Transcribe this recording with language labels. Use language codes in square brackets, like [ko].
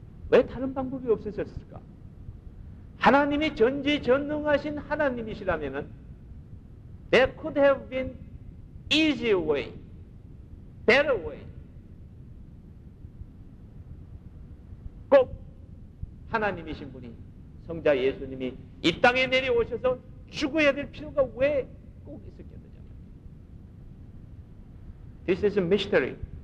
[ko] 왜 다른 방법이 없으셨을까? 하나님이 전지전능하신 하나님이시라면 [en] There could have been easier way, better way. [ko] 꼭 하나님이신 분이 성자 예수님이 이 땅에 내려오셔서 죽어야 될 필요가 왜 꼭 있었게 되냐. [en] This is a mystery.